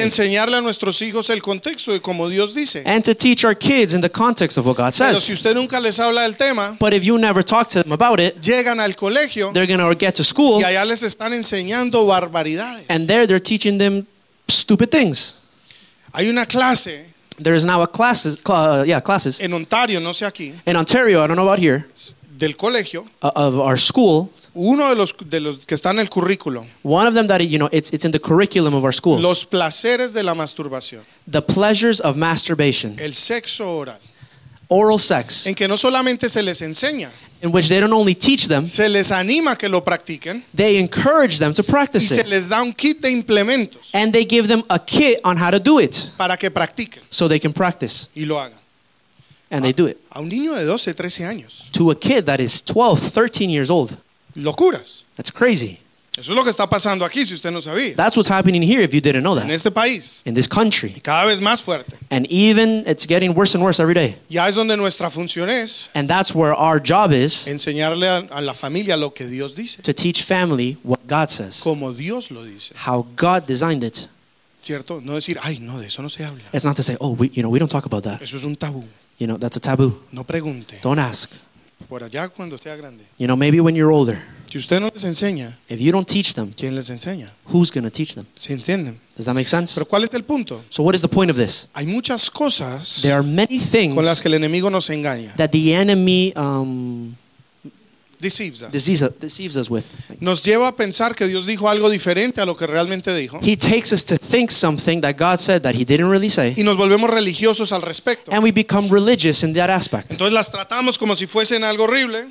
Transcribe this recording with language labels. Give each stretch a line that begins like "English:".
Spanish: Y enseñarle a nuestros hijos el contexto de cómo Dios dice.
English: And to teach our kids in the context of what God says.
Spanish: Pero si usted nunca les habla del tema,
English: but if you never talk to them about it,
Spanish: llegan al colegio,
English: they're going to get to school,
Spanish: y allá les están enseñando barbaridades.
English: And there they're teaching them stupid things.
Spanish: Hay una clase,
English: there is now a classes, classes
Spanish: en Ontario, no sé aquí,
English: in Ontario, I don't know about here,
Spanish: del colegio,
English: of our school,
Spanish: uno de los que está en el currículo,
English: one of them that, you know, it's in the curriculum of our schools,
Spanish: los placeres de la masturbación,
English: the pleasures of masturbation,
Spanish: el sexo oral,
English: oral sex,
Spanish: en que no solamente se les enseña,
English: in which they don't only teach them,
Spanish: se les anima que lo practiquen,
English: they encourage them to practice
Spanish: y se les da un kit de implementos,
English: it. And they give them a kit on how to do it.
Spanish: Para que practiquen.
English: So they can practice.
Spanish: Y lo hagan.
English: And they do it.
Spanish: A un niño de 12, 13 años.
English: To a kid that is 12, 13 years old.
Spanish: Locuras.
English: That's crazy.
Spanish: Eso es lo que está pasando aquí, si usted no sabía.
English: That's what's happening here if you didn't know that.
Spanish: En este país.
English: In this country.
Spanish: Y cada vez más fuerte.
English: And even it's getting worse and worse every day.
Spanish: Ya es donde nuestra función es.
English: And that's where our job is.
Spanish: Enseñarle a la familia lo que Dios dice.
English: To teach family what God says.
Spanish: Como Dios lo dice.
English: How God designed it.
Spanish: Cierto, no decir, ay, no, de eso no se habla.
English: It's not to say, oh, we don't talk about that.
Spanish: Eso es un tabú.
English: You know, that's a taboo.
Spanish: No pregunte.
English: Don't ask.
Spanish: Por allá cuando sea grande.
English: You know, maybe when you're older.
Spanish: Si usted no les enseña,
English: if you don't teach them,
Spanish: ¿quién les enseña?
English: Who's going to teach them?
Spanish: ¿Se entienden?
English: Does that make sense?
Spanish: Pero ¿cuál es el punto?
English: So what is the point of this?
Spanish: Hay muchas cosas,
English: there are many things,
Spanish: con las que el enemigo nos engaña,
English: that the enemy deceives us with.
Spanish: Nos lleva a pensar que Dios dijo algo diferente a lo que realmente dijo.
English: He takes us to think something that God said that He didn't really say.
Spanish: Y nos volvemos religiosos al respecto.
English: And we become religious in that aspect.
Spanish: Entonces las tratamos como si fuesen algo horrible.